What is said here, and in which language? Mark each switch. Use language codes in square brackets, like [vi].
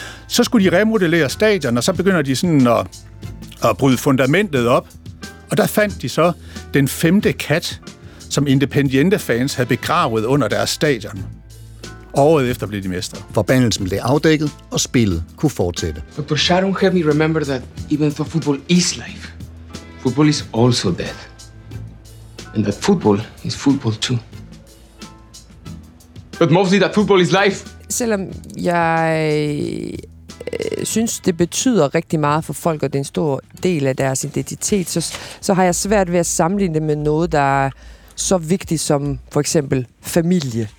[da] Så skulle de remodellere stadion, og så begynder de sådan at bryde fundamentet op. Og der fandt de så den femte kat, som Independiente-fans havde begravet under deres stadion. Året efter blev de mestre. Forbandelsen blev afdækket, og spillet kunne fortsætte. [en] Dr. Sharon helped me remember that even though football is life, football is also death. And that football is football too. But mostly that football is life. [da] Selvom jeg synes, det betyder rigtig meget for folk, og det er en stor del af deres identitet, så har jeg svært ved at sammenligne det med noget, der er så vigtigt som for eksempel familie.